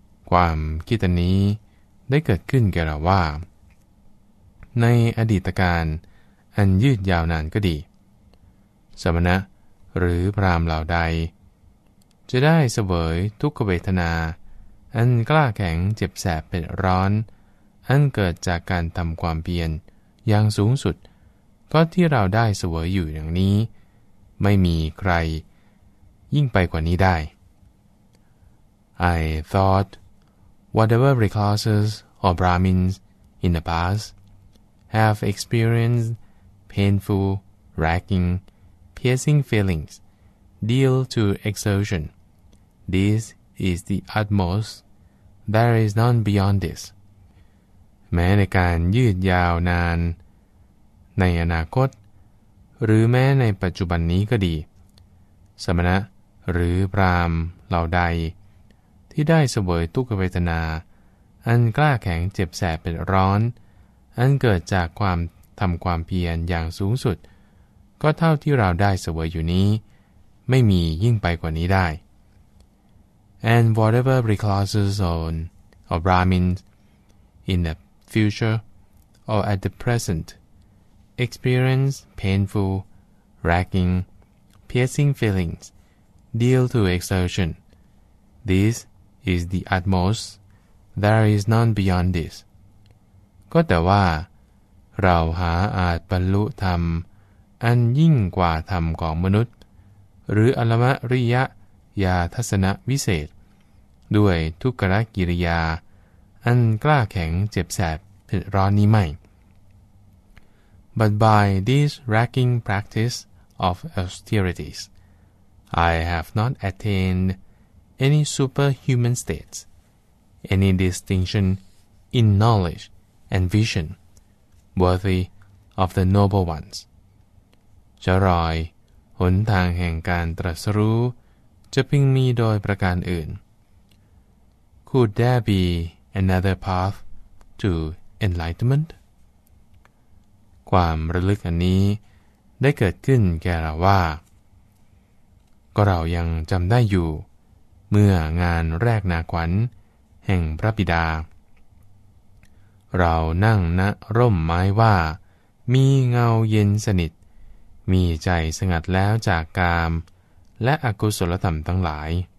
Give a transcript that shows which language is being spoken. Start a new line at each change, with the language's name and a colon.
Thai: ความคิดนี้ได้เกิดขึ้นแก่เราว่าในอดีตการอันยืดยาวนานก็ดีสมณะหรือพราหมณ์เหล่าใดจะได้เสวยทุกขเวทนาอันกล้าแข็งเจ็บแสบเป็นร้อนอันเกิดจากการทำความเพียรอย่างสูงสุดก็ที่เราได้เสวยอยู่อย่างนี้ไม่มีใครยิ่งไปกว่านี้ได้
English: I thought whatever recluses or Brahmins in the past have experienced painful, racking, piercing feelings due to exertion, this is the utmost, there is none beyond this.
Thai: แม้ในการยืดยาวนานในอนาคตหรือแม้ในปัจจุบันนี้ก็ดีสมณะหรือพราหมณ์เหล่าใดที่ได้เสวยทุกขเวทนาอันกล้าแข็งเจ็บแสบเป็นร้อนอันเกิดจากความทำความเพียรอย่างสูงสุดก็เท่าที่เราได้เสวยอยู่นี้ไม่มียิ่งไปกว่านี้ได้
English: And whatever recluses on or Brahmins in the future or at the present experience painful, racking, piercing feelingsDeal to exertion. This is the utmost. There is none beyond this.
Thai: ก็แต่ว่าเราหาอาจบรรลุธรรมอันยิ่งกว่าธรรมของมนุษย์หรืออรมริยะญาทัศนวิเศษด้วยทุกขกิริยาอันกล้าแข็งเจ็บแสบเผ็ดร้อนนี้ไม่
English: But by this racking practice of austerities,I have not attained any superhuman states, any distinction in knowledge and vision worthy of the noble ones.
Thai: จะรอยหนทางแห่งการตรัสรู้จะพึงมีโดยประการอื่น
English: Could there be another path to enlightenment?
Thai: ความระลึกอันนี้ได้เกิดขึ้นแก่เราว่าก็เรายังจำได้อยู่เมื่องานแรกนาขวัญแห่งพระบิดาเรานั่งณร่มไม้ว่ามีเงาเย็นสนิทมีใจสงัดแล้วจากกามและอกุศลธรรมทั้งหลาย